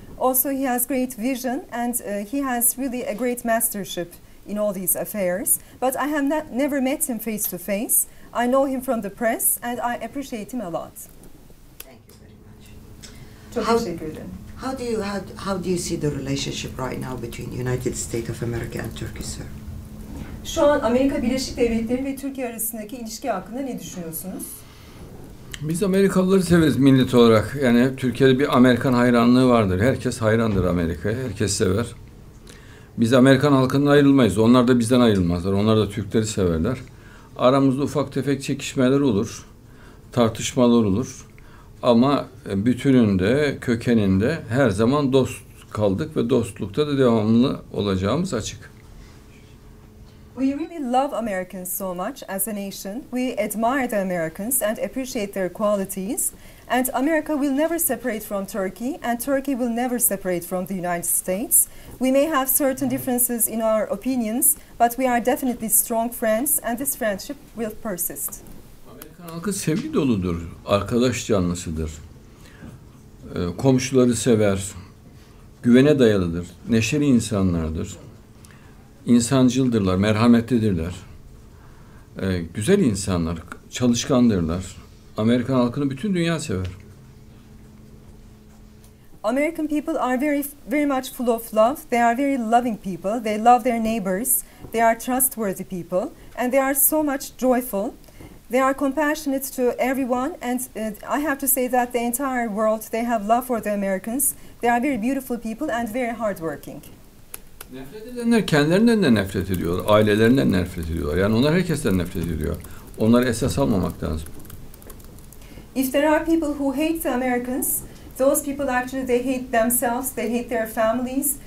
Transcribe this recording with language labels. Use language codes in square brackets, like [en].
[en] Also, he has great vision and he has really a great mastership in all these affairs. But I have never met him face to face. I know him from the press and I appreciate him a lot. Thank you very much. How do you see the relationship right now between United States of America and Turkey, sir? [tr] Şu an Amerika Birleşik Devletleri ve Türkiye arasındaki ilişki hakkında ne düşünüyorsunuz? Biz Amerikalıları severiz millet olarak. Yani Türkiye'de bir Amerikan hayranlığı vardır. Herkes hayrandır Amerika'ya. Herkes sever. Biz Amerikan halkından ayrılmayız. Onlar da bizden ayrılmazlar. Onlar da Türkleri severler. Aramızda ufak tefek çekişmeler olur. Tartışmalar olur. Ama bütününde, kökeninde her zaman dost kaldık ve dostlukta da devamlı olacağımız açık. [en] We really love Americans so much as a nation. We admire the Americans and appreciate their qualities. And America will never separate from Turkey, and Turkey will never separate from the United States. We may have certain differences in our opinions, but we are definitely strong friends, and this friendship will persist. [tr] Amerikan halkı sevgi doludur, arkadaş canlısıdır. Komşuları sever, güvene dayalıdır, neşeli insanlardır. İnsancıldırlar, merhametlidirler, güzel insanlar, çalışkandırlar. Amerikan halkını bütün dünya sever. [en] American people are very, very much full of love. They are very loving people. They love their neighbors. They are trustworthy people, and they are so much joyful. They are compassionate to everyone, and I have to say that the entire world they have love for the Americans. They are very beautiful people and very hardworking. [tr] Nefret edenler kendilerinden de nefret ediyor, ailelerinden nefret ediyor. Yani onlar herkesten nefret ediyor. Onları esas almamak lazım. [en] If there are people who hate the Americans, those people actually they hate themselves, they hate their families.